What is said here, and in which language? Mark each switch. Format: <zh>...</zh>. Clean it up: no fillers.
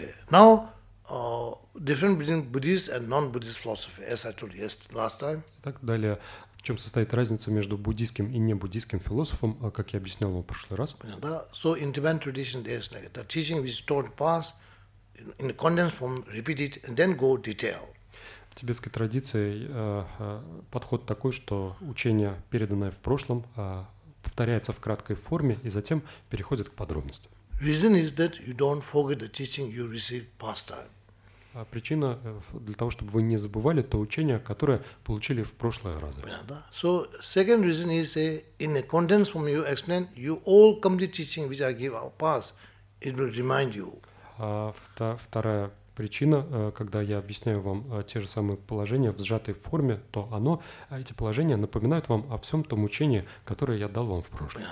<en>Now, difference between Buddhist and non-Buddhist philosophy, as I told you last time.</en> <ru>Так далее, в чем состоит разница между буддийским и небуддийским философом, как я объяснял вам в прошлый раз? Понятно, да?</ru> <en>So in Tibetan tradition, there's like the teaching which is taught past in a condensed form, repeat it, and then go detail.</en> <ru>В тибетской традиции подход такой, что учение, переданное в прошлом, повторяется в краткой форме и затем переходит к подробностям.</ru> <en>Reason is that you don't forget the teaching you received past time.</en> <ru>А причина для того, чтобы вы не забывали то учение, которое получили в прошлые разы. Понятно, да?</ru> <en>So second reason is in a condensed form you explain you all complete teaching which I give out past, it will remind you.</en> <ru>Вторая причина, когда я объясняю вам те же самые положения в сжатой форме, то оно, эти положения напоминают вам о всем том учении, которое я дал вам в прошлом.</ru>